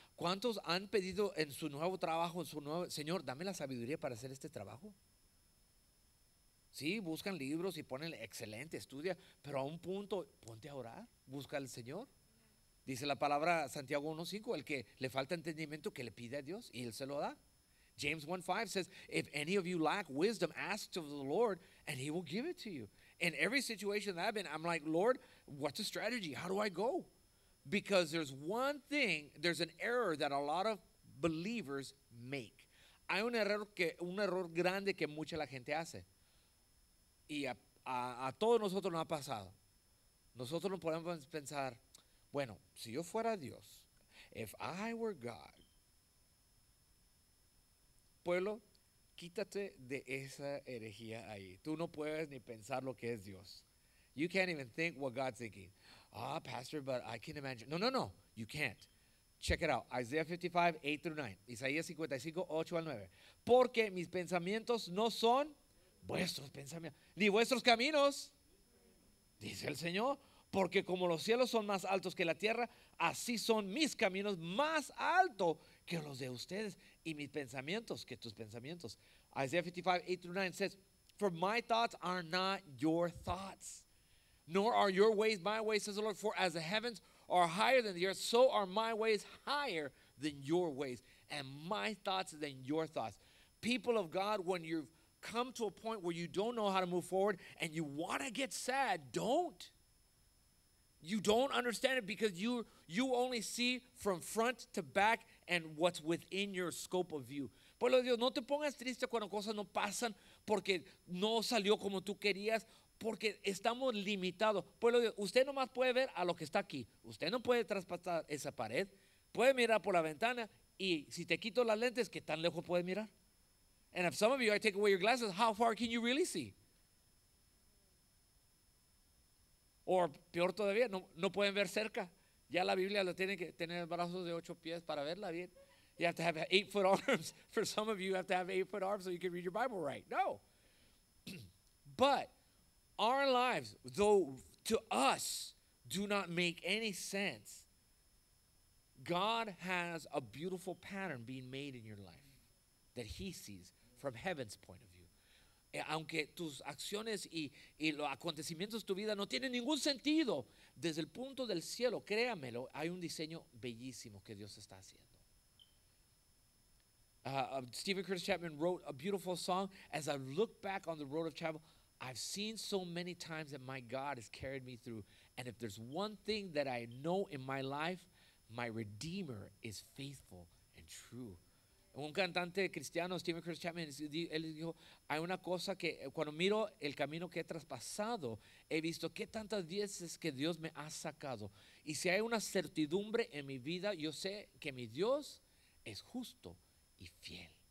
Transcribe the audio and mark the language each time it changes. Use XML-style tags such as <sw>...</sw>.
<es>¿Cuántos han pedido en su nuevo trabajo, en su nuevo, Señor, dame la sabiduría para hacer este trabajo? Sí, buscan libros y ponen excelente, estudia, pero a un punto, ponte a orar, busca al Señor. Dice la palabra Santiago 1:5, el que le falta entendimiento, que le pide a Dios y él se lo da.</es> <en>James 1:5 says, if any of you lack wisdom, ask of the Lord, and he will give it to you. In every situation that I've been, I'm like, Lord, what's the strategy? How do I go? Because there's one thing, there's an error that a lot of believers make.</en> <es>Hay un error grande que mucha la gente hace. Y a todos nosotros nos ha pasado. Nosotros no podemos pensar, bueno, si yo fuera Dios,</es> <en>if I were God,</en> <es>pueblo, quítate de esa herejía ahí. Tú no puedes ni pensar lo que es Dios.</es> <en>You can't even think what God's thinking. Ah, pastor, but I can imagine. No, no, no, you can't. Check it out. Isaiah 55, 8 through 9.</en> <es>Isaías 55, 8 al 9. Porque mis pensamientos no son vuestros pensamientos, ni vuestros caminos, dice el Señor. Porque como los cielos son más altos que la tierra, así son mis caminos más altos que los de ustedes, y mis pensamientos que tus pensamientos.</es> <en>Isaiah 55, 8 through 9 says, for my thoughts are not your thoughts, nor are your ways my ways, says the Lord. For as the heavens are higher than the earth, so are my ways higher than your ways, and my thoughts than your thoughts. People of God, when you've come to a point where you don't know how to move forward and you want to get sad, don't. You don't understand it because you only see from front to back and what's within your scope of view.</en> <es>Pueblo de Dios, no te pongas triste cuando cosas no pasan porque no salió como tú querías, porque estamos limitados. Pueblo de Dios, usted nomás puede ver a lo que está aquí. Usted no puede traspasar esa pared. Puedes mirar por la ventana y si te quito las lentes, ¿qué tan lejos puedes mirar?</es> <en>And if some of you, I take away your glasses, how far can you really see?</en> <es>O peor todavía, no pueden ver cerca. Ya la Biblia lo tiene que tener brazos de 8 pies para verla bien.</es> <en>You have to have 8 foot arms. For some of you, you have to have 8 foot arms so you can read your Bible right. No. But our lives, though to us, do not make any sense, God has a beautiful pattern being made in your life that he sees from heaven's point of view.</en> <es>Aunque tus acciones y los acontecimientos de tu vida no tienen ningún sentido, desde el punto del cielo, créamelo, hay un diseño bellísimo que Dios está haciendo.</es> <en>Stephen Curtis Chapman wrote a beautiful song, "As I look back on the road of travel, I've seen so many times that my God has carried me through. And if there's one thing that I know in my life, my Redeemer is faithful and true."</en> <es>Un cantante cristiano, Stephen Curtis Chapman, él dijo, hay una cosa que cuando miro el camino que he traspasado, he visto qué tantas veces que Dios me ha sacado. Y si hay una certidumbre en mi vida, yo sé que mi Dios es justo y fiel.</es>